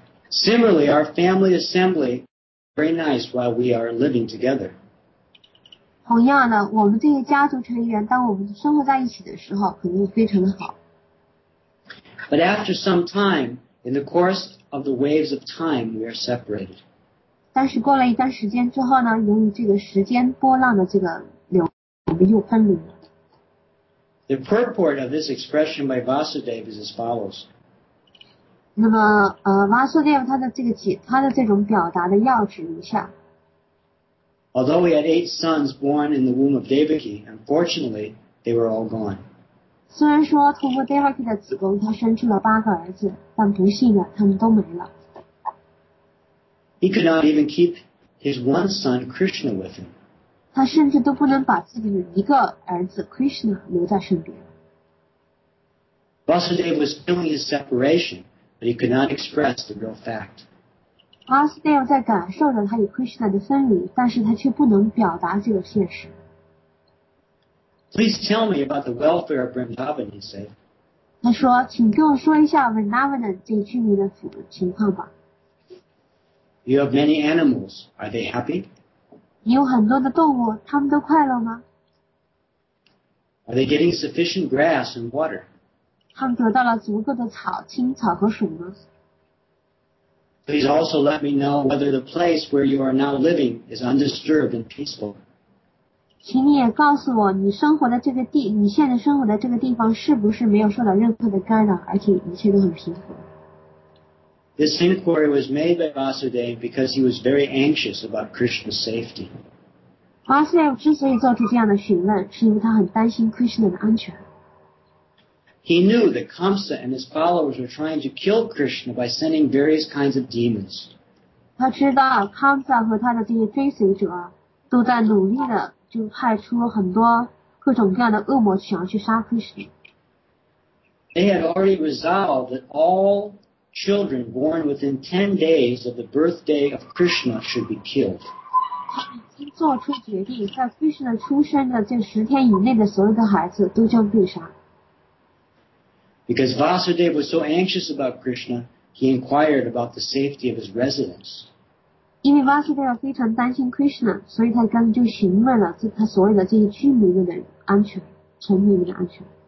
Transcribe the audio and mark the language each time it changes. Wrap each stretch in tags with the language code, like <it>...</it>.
<en>Similarly, our family assembly is very nice while we are living together.</en> <zh>同样的，我们这些家族成员，当我们生活在一起的时候，肯定非常的好。</zh> <en>But after some time, in the course of the waves of time, we are separated.</en> <zh>但是过了一段时间之后呢，由于这个时间波浪的这个流，我们又分离了。</zh> <en>The purport of this expression by Vasudev is as follows.</en> <zh>那么Vasudev 他的这个解他的这种表达的要旨如下。</zh> <en>Although we had 8 sons born in the womb of Devaki, unfortunately, they were all gone.</en> <zh>虽然说通过 Devaki 的子宫他生出了8个儿子，但不幸的他们都没了。</zh> <en>He could not even keep his one son Krishna with him.</en> <zh>他甚至都不能把自己的一个儿子 Krishna 留在身边。</zh> <en>Vasudev was feeling his separation. But he could not express the real fact.</en> <zh>Vasudev 在感受着他与 Krishna 的分离，但是他却不能表达这个现实。</zh> <en>Please tell me about the welfare of Vrindavan, he said.</en> <zh>他说，请跟我说一下 Vrindavan 这居民的情况吧。</zh> <en>You have many animals. Are they happy?</en> <zh>你有很多的动物，他们都快乐吗？</zh> <en>Are they getting sufficient grass and water?</en> <zh>他们得到了足够的草、青草和水吗？</zh> <en>Please also let me know whether the place where you are now living is undisturbed and peaceful.</en> <zh>请你也告诉我，你生活的这个地，你现在生活的这个地方是不是没有受到任何的干扰，而且一切都很平和？</zh> <en>This inquiry was made by Vasudev because he was very anxious about Krishna's safety.</en> <zh>Vasudev 之所以做出这样的询问，是因为他很担心 Krishna 的安全。</zh> <en>He knew that Kamsa and his followers were trying to kill Krishna by sending various kinds of demons.</en> <zh>他知道 Kamsa 和他的这些追随者都在努力的就派出很多各种各样的恶魔想要去杀 Krishna.</zh> <en>They had already resolved that all children born within 10 days of the birthday of Krishna should be killed.</en> <zh>他已经做出决定，在 Krishna 出生的这十天以内的所有的孩子都将被杀。</zh> <en>Because Vasudev was so anxious about Krishna, he inquired about the safety of his residence.</en> <zh>因为 Vasudev 非常担心 Krishna, 所以他刚就询问了他所有的这些居民的安全，村民的安全。</zh>